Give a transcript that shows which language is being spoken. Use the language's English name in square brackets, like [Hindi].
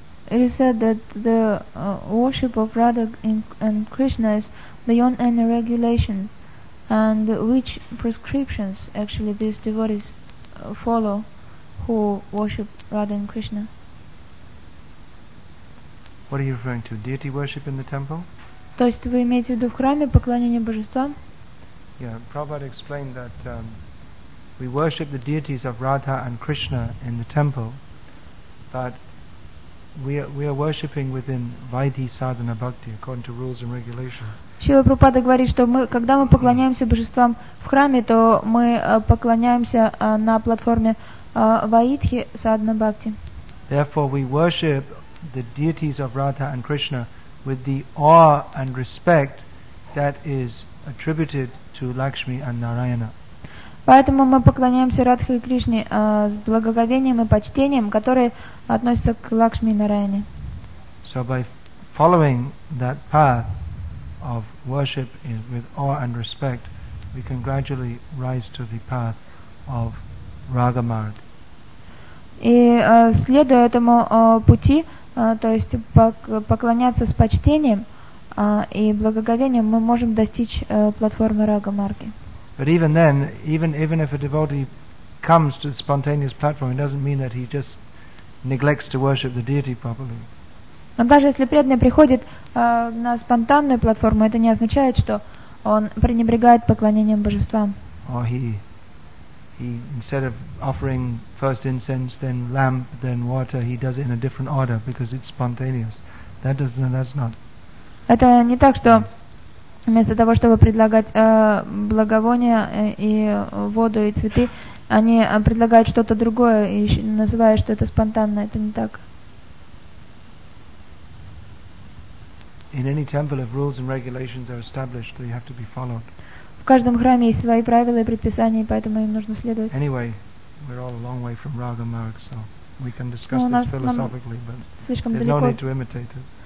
[English] It is said that the worship of Radha and Krishna is beyond any regulation, and which prescriptions actually these devotees follow who worship Radha and Krishna? What are you referring to? Deity worship in the temple? [Russian] То есть вы имеете в виду в храме поклонение божествам? [English] Yeah, Prabhupada explained that we worship the deities of Radha and Krishna in the temple, but we are worshiping within Vaidhi Sadhana Bhakti, according to rules and regulations. [Russian] Шрила Прабхупада говорит, что мы, когда мы поклоняемся божествам в храме, то мы поклоняемся на платформе Vaidhi Sadhana Bhakti. [English] Therefore, we worship the deities of Radha and Krishna with the awe and respect that is attributed to Lakshmi and Narayana. [Russian] Поэтому мы поклоняемся Радхе и Кришне с благоговением и почтением, которые относятся к Лакшми и Нараяне. [English] So by following that path of worship with awe and respect, we can gradually rise to the path of Raga Marga. [Russian] И следуя этому пути, то есть поклоняться с почтением, и благоговением мы можем достичь платформы Рага Марги. [English] But even then, even if a devotee comes to the spontaneous platform, it doesn't mean that he just neglects to worship the deity properly. [Russian] Но даже если преданный приходит на спонтанную платформу, это не означает, что он пренебрегает поклонением божествам. [English] Or he instead of offering first incense, then lamp, then water, he does it in a different order because it's spontaneous. That's not. [Russian] Это не так, что вместо того, чтобы предлагать благовония и воду и цветы, они предлагают что-то другое и называют, что это спонтанно. Это не так. [English] In any temple, if rules and regulations are established, they have to be followed. [Russian] В каждом храме есть свои правила и предписания, поэтому им нужно следовать. [English] Anyway, we're all a long way from Raga Marga, so we can discuss this philosophically, but there's no need to imitate it.